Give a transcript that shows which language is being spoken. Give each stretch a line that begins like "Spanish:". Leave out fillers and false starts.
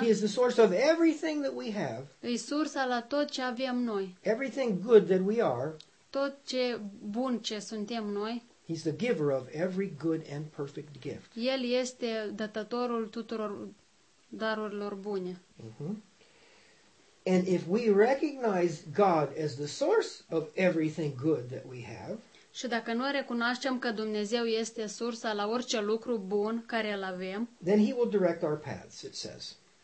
English: He is the source of everything that we have.
Romanian: E sursa la tot ce avem noi.
English: Everything good that we are.
Romanian: Tot ce bun ce suntem noi.
English: He's the giver of every good and perfect gift.
Romanian: El este dătătorul tuturor darurilor bune.
English: And if we recognize God as the source of everything good that we have,
Romanian: și dacă noi recunoaștem că Dumnezeu este sursa la orice lucru bun care îl avem,
English: then he will direct our paths, it says.